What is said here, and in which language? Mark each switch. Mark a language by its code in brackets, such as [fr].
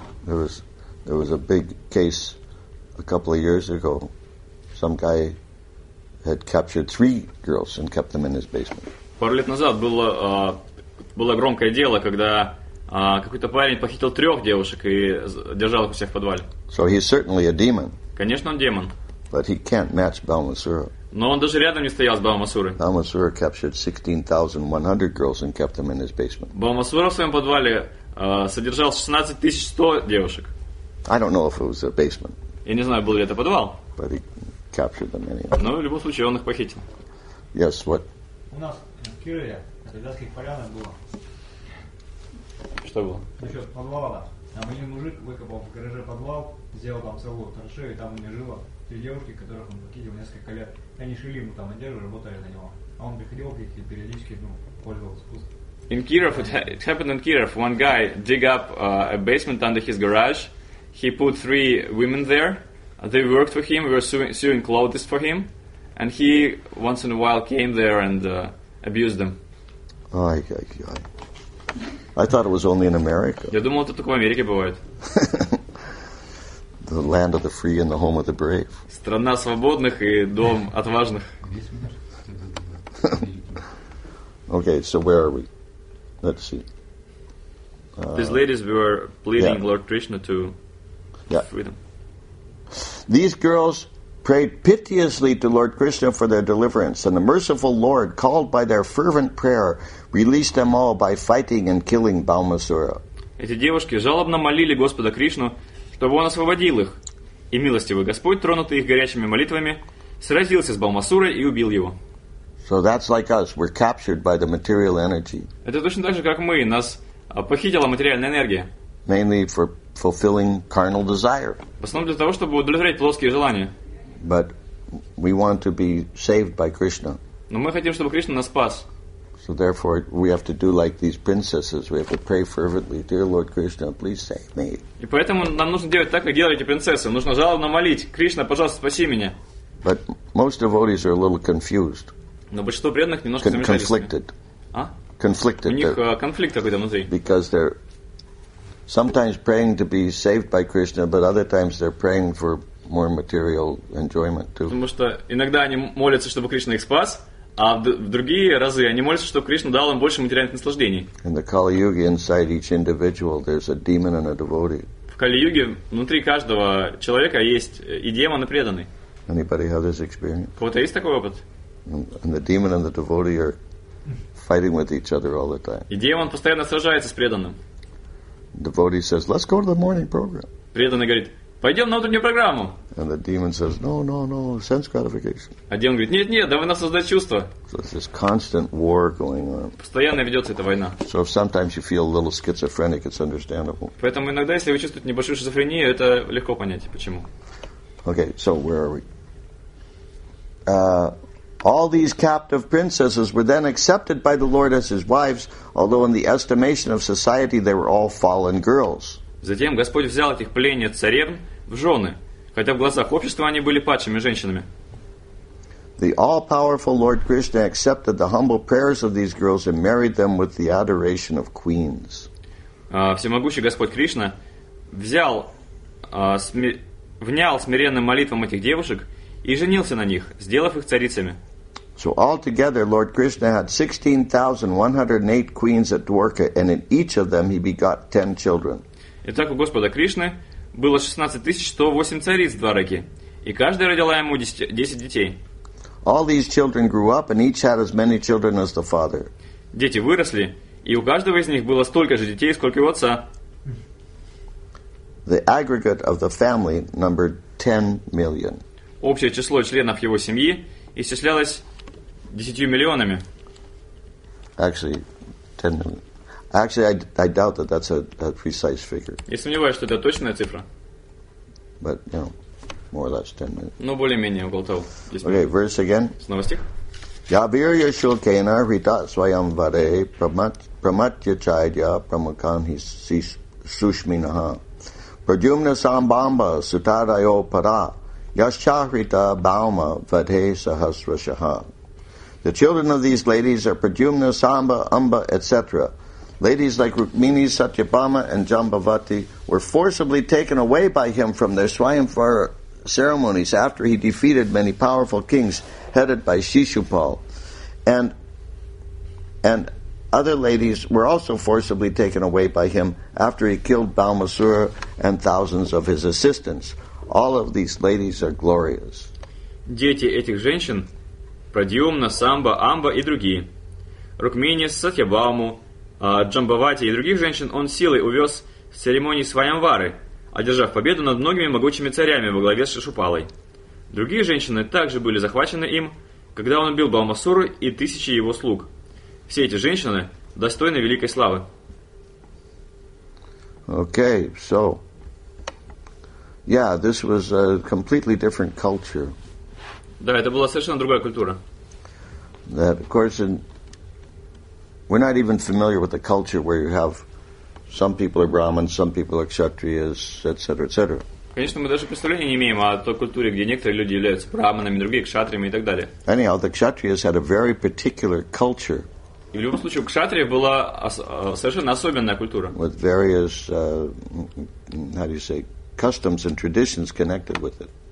[en] There was a big case a couple of years ago. Some guy had captured 3 girls and kept them in his basement. [ru] Пару лет назад было громкое дело, когда какой-то парень похитил 3 девушек и держал их у себя в подвале. [en] So he's certainly a demon. [ru] Конечно, он демон. [en] But he can't match Balmasura. [ru] Но он даже рядом не стоял с Балмасурой. [en] Balmasura captured 16,100 girls and kept them in his basement. [ru] Балмасура в своем подвале содержал 16,100 девушек. [en] I don't know if it was a basement. [ru] Я не знаю, был ли это подвал. [en] But he captured them anyway. [ru] Но в любом случае он их похитил. [en] Yes, what? [ru] У нас в Кирове, в Ледовских полянах было. Что было? Насчет подвала. Там один мужик выкопал в гараже подвал, сделал там целую траншею, и там у него жило 3 девушки, которых он похитил несколько лет. Они шили ему там одежду, работали на него. А он приходил к ним и периодически пользовался спуском. [en] In Kirov, it happened in Kirov. One guy dig up a basement under his garage. He put 3 women there. They worked for him. Were sewing clothes for him. And he once in a while came there and abused them. I thought it was only in America. [ru] Я думал, это только в Америке бывает. [en] The land of the free and the home of the brave. [ru] Страна свободных и дом отважных. [en] Okay, so where are we? Let's see. These ladies were pleading Lord Krishna to free them. These girls prayed piteously to Lord Krishna for their deliverance, and the merciful Lord, called by their fervent prayer, released them all by fighting and killing Balmасура. [ru] Эти девушки жалобно молили Господа Кришну, чтобы он освободил их, и милостивый Господь, тронутый их горячими молитвами, сразился с Балмасурой и убил его. [en] So that's like us. We're captured by the material energy. [ru] Это точно так же, как мы. Нас похитила материальная энергия. [en] Mainly for fulfilling carnal desire. [ru] В основном для того, чтобы удовлетворять плотские желания. [en] But we want to be saved by Krishna. [ru] Но мы хотим, чтобы Кришна нас спас. [en] So therefore, we have to do like these princesses. We have to pray fervently, dear Lord Krishna, please save me. [ru] И поэтому нам нужно делать так, как делают эти принцессы. Нужно жалобно молить: Кришна, пожалуйста, спаси меня. [en] But most devotees are a little confused. [ru] Но большинство преданных немножко замешались. [en] Conflicted. [ru] А? [en] Conflicted. [ru] У них конфликт какой-то внутри. [en] Because they're sometimes praying to be saved by Krishna, but other times they're praying for more material enjoyment too. [ru] Потому что иногда они молятся, чтобы Кришна их спас, а в другие разы они молятся, чтобы Кришна дал им больше материальных наслаждений. [en] In the Kali-Yuga, inside each individual, there's a demon and a devotee. [ru] В Кали-Юге внутри каждого человека есть и демон, и преданный. [en] Anybody have this experience? [ru] У кого-то есть такой опыт? [en] And the demon and the devotee are fighting with each other all the time. [ru] И демон постоянно сражается с преданным. [en] Devotee says, "Let's go to the morning program." [ru] Преданный говорит: "Пойдем на утреннюю программу." [en] And the demon says, "No, no, no, sense gratification." [ru] А демон говорит: "Нет, нет, давай нас создать чувство." [en] So it's this constant war going on. [ru] Постоянно ведется эта война. [en] So if sometimes you feel a little schizophrenic, it's understandable. [ru] Поэтому иногда, если вы чувствуете небольшую шизофрению, это легко понять, почему. [en] Okay, so where are we? All these captive princesses were then accepted by the Lord as his wives, although in the estimation of society they were all fallen girls. [ru] Затем Господь взял этих пленниц царевн в жены, хотя в глазах общества они были падшими женщинами. [en] The all-powerful Lord Krishna accepted the humble prayers of these girls and married them with the adoration of queens. [ru] Всемогущий Господь Кришна взял внял смиренным молитвам этих девушек и женился на них, сделав их царицами. [en] So altogether, Lord Krishna had 16,108 queens at Dwarka, and in each of them he begot 10 children. [ru] Итак, у Господа Кришны было 16,108 цариц в Двараке, и каждая родила ему 10 детей. [en] All these children grew up, and each had as many children as the father. [ru] Дети выросли, и у каждого из них было столько же детей, сколько и у отца. [en] The aggregate of the family numbered 10 million. [ru] Общее число членов его семьи исчислялось 10 миллионами. [en] Actually, I doubt that that's a precise figure. [ru] Я сомневаюсь, что это точная цифра. [en] But, you know, more or less 10 million. [ru] Но более-менее около того. [en] Okay, verse again. [ru] Снова стих. [sa] Я вирья шулкейна рита своям варе праматья чайдя прамаканхи сушминаха прадюмна самбамба сутарайо пара Yashchahrita Bauma Vade Sahasrashaha. [en] The children of these ladies are Pradyumna, Samba, Umba, etc. Ladies like Rukmini, Satyabhama, and Jambavati were forcibly taken away by him from their Swayamvara ceremonies after he defeated many powerful kings headed by Shishupal. And other ladies were also forcibly taken away by him after he killed Balmasura and thousands of his assistants. All of these ladies are glorious. [ru] Дети этих женщин – Прадьюмна, Самба, Амба и другие. Рукмини, Сатьябаму, Джамбавати и других женщин он силой увез с церемонии Свайамвары, одержав победу над многими могучими царями во главе с Шишупалой. Другие женщины также были захвачены им, когда он убил Балмасуру и тысячи его слуг. Все эти женщины достойны великой славы. [en] Okay, so... Yeah, this was a completely different culture. [ru] Да, это была совершенно другая культура. [en] That, of course, we're not even familiar with the culture where you have some people are Brahmins, some people are Kshatriyas, etc., etc. [ru] Конечно, мы даже представления не имеем о той культуре, где некоторые люди являются Брахманами, другие Кшатриями и так далее. [en] Anyhow, the Kshatriyas had a very particular culture. [ru] И в любом случае, у Кшатрия была совершенно особенная культура. [en] With various, how do you say, customs and traditions connected with it.